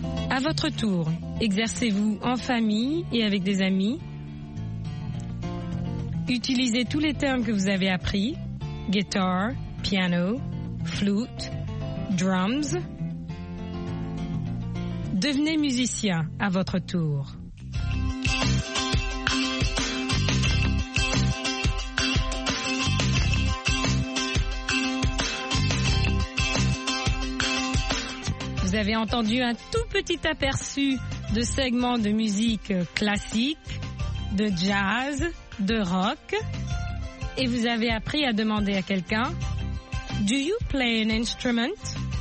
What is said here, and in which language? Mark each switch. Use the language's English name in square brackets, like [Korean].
[French] À votre tour, exercez-vous en famille et avec des amis. Utilisez tous les termes que vous avez appris. [English] Guitar, piano, flute, drums. [French] Devenez musicien à votre tour. Vous avez entendu un tout petit aperçu de segments de musique classique, de jazz, de rock, et vous avez appris à demander à quelqu'un « [English] Do you play an instrument?